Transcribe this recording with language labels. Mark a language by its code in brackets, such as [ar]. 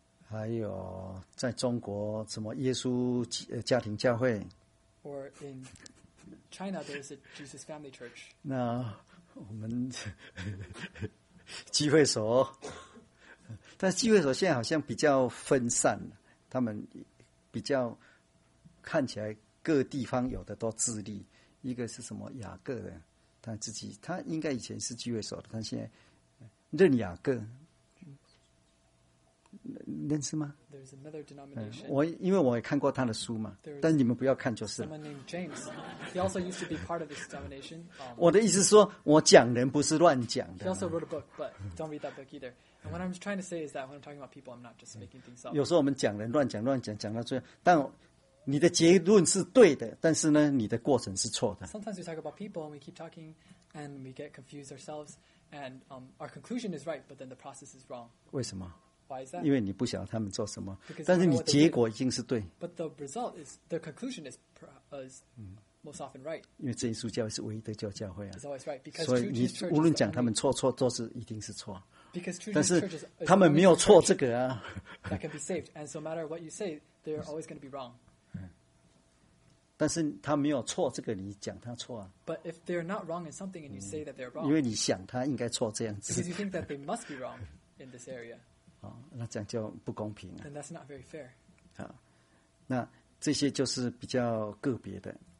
[zh] 还有在中国什么耶稣家庭教会 [en] or in China there is a Jesus Family Church [zh] 那我们机会所 但机会所现在好像比较分散 他们比较看起来各地方有的都自立 一个是什么雅各的 他自己, 他应该以前是机会所的 但现在任雅各 认识吗? [en] There's another denomination. [zh] 因为我也看过他的书嘛, 但你们不要看就是了。 [en] Someone named James. He also used to be part of this denomination. [zh] 我的意思是说,我讲人不是乱讲的。 [en] He also wrote a book, but don't read that book either. And what I'm trying to say is that when I'm talking about people, I'm not just making things up. [zh] 有时候我们讲人乱讲,乱讲,讲到最后, 但你的结论是对的, 但是呢,你的过程是错的。 [en] Sometimes we talk about people and we keep talking and we get confused ourselves and our conclusion is right, but then the process is wrong. [zh] 为什么? [en] Why is that? [zh] 因为你不晓得他们做什么，但是你结果已经是对。 [en] But the result is the conclusion is most often right. [zh] 因为真耶稣教会是唯一的教教会啊。 [en] It's always right because [zh] 所以你无论讲他们错错都是一定是错。 [en] Because true Jesus church is. [zh] 他们没有错这个啊。 [en] That can be saved, and so matter what you say, they're always going to be wrong. [zh] 但是他没有错这个，你讲他错啊。 [en] But if they're not wrong in something and you say that they're wrong. [zh] 因为你想他应该错这样子。 [en] Because you think that they must be wrong in this area. [zh] 那这样就不公平 [en] 了。And that's not very fair. [zh] 那这些就是比较个别的。